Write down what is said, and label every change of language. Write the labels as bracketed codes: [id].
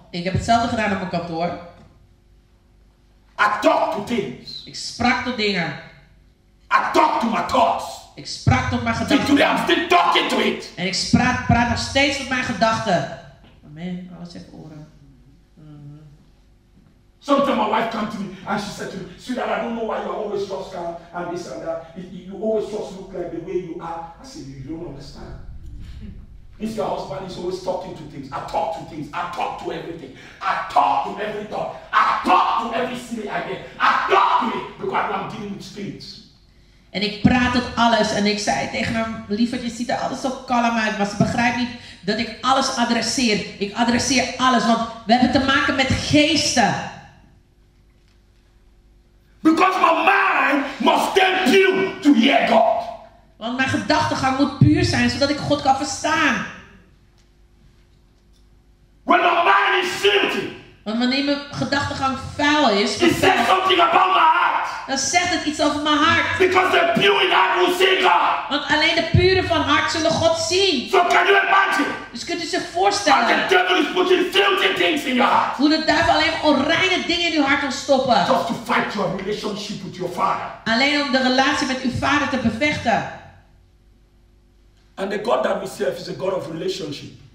[nl] Ik heb hetzelfde gedaan op mijn kantoor. [en] I talked to things. [nl] Ik sprak tot dingen. [en] I talk to my thoughts. [nl] Ik sprak tot mijn gedachten. [en] Today I'm still talking to it. [nl] En ik praat nog steeds met mijn gedachten. Amen. Alles heeft oren. [en] Sometimes my wife came to me and she said to me, sweetheart, I don't know why you are always just calm and this and that. You always just look like the way you are. I said, you don't understand. This your husband is always talking to things. I talk to things. I talk to everything. I talk to every thought. I talk to every silly idea. I talk to it because I'm dealing with spirits. [nl] En ik praat het alles. En ik zei tegen hem, lieverd, je ziet er alles zo kalm uit. Maar ze begrijpt niet dat ik alles adresseer. Ik adresseer alles, want we hebben te maken met geesten. [en] Because my mind must stay pure to hear God. [nl] Want mijn gedachtegang moet puur zijn, zodat ik God kan verstaan. [en] When my mind is filthy. [nl] Want wanneer mijn gedachtegang vuil is, [en] it says something about my heart. [nl] Dan zegt het iets over mijn hart. [en] Because the pure in heart will see God. [nl] Want alleen de pure van hart zullen God zien. [en] So can you imagine? [nl] Dus kunt u zich voorstellen. [en] How the devil is putting filthy things in your heart. [nl] Hoe de duivel alleen onreine dingen in uw hart wil stoppen. [en] Just to fight your relationship with your father. [nl] Alleen om de relatie met uw vader te bevechten. [en] And the God that we serve is a God of relationship.